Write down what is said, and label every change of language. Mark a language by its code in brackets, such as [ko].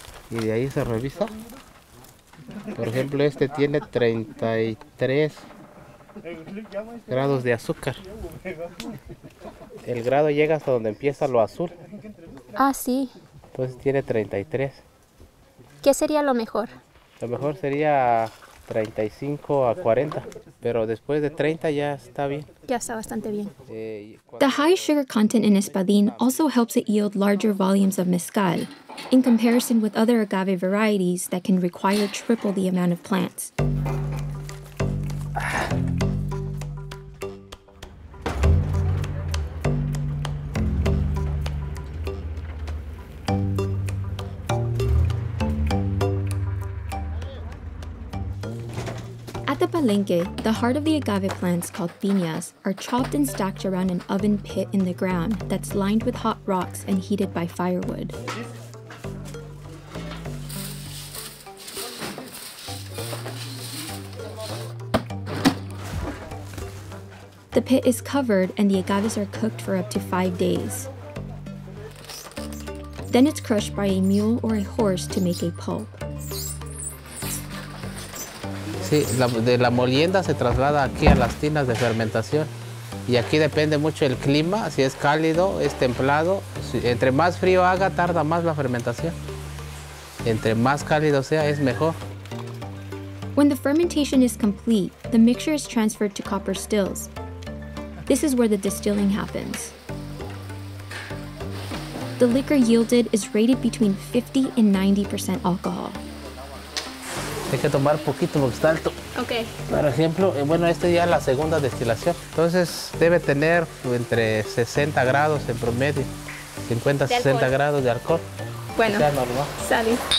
[es] Y de ahí se revisa. Por ejemplo, este tiene 33 grados de azúcar. El grado llega hasta donde empieza lo azul. Ah, sí. Entonces tiene 33. ¿Qué sería lo mejor? Lo mejor sería 35 a 40, pero después de 30 ya está bien. Ya está bastante bien. [en] The high sugar content in espadín also helps it yield larger volumes of mezcal, in comparison with other agave varieties that can require triple the amount of plants. At the palenque, the heart of the agave plants called piñas are chopped and stacked around an oven pit in the ground that's lined with hot rocks and heated by firewood. The pit is covered and the agaves are cooked for up to 5 days. Then it's crushed by a mule or a horse to make a pulp. [es] Sí, de la molienda se traslada aquí a las tinas de fermentación. Y aquí depende mucho el clima, si es cálido, es templado. Si, entre más frío haga, tarda más la fermentación. Entre más cálido sea, es mejor. [en] When the fermentation is complete, the mixture is transferred to copper stills. This is where the distilling happens. The liquor yielded is rated between 50 and 90% alcohol. [es] Hay que tomar poquito porque está alto. Ok. Por ejemplo, bueno, este ya es la segunda destilación. Entonces debe tener entre 60 grados en promedio. 50, 60 grados de alcohol. Bueno. Sea normal. Sale. Vale.